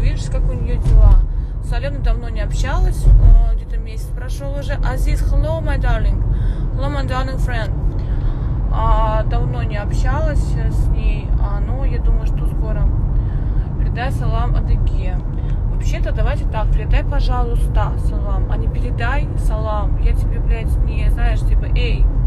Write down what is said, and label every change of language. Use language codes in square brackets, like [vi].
[ru] Как у нее дела? С Аленой давно не общалась, где-то месяц прошел уже. [en] Азиз, hello my darling friend. [ru] Давно не общалась с ней, но я думаю, что скоро. Передай салам Адыге. Вообще-то давайте так, передай, пожалуйста, салам, а не передай салам. Я тебе, блядь, не, знаешь, типа, эй.